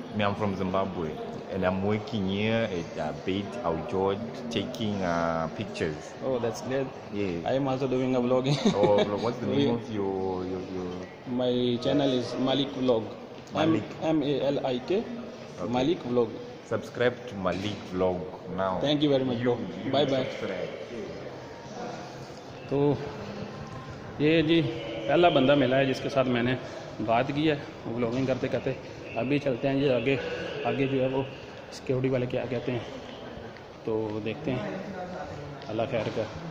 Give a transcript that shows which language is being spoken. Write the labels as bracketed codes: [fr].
[en] Me I am from Zimbabwe and I am working here at a bit out George taking pictures. Oh that's great. Yes, I am also doing a vlogging. Oh bro, what's the name of your my channel? Is Malik vlog, Malik MALIK, Malik vlog. Subscribe to Malik Vlog now. Thank you very much. Bye. [hi] तो ये जी पहला बंदा मिला है जिसके साथ मैंने बात की है व्लॉगिंग करते करते। अभी चलते हैं जी आगे, आगे जो है वो सिक्योरिटी वाले क्या कहते हैं, तो देखते हैं अल्लाह खैर का।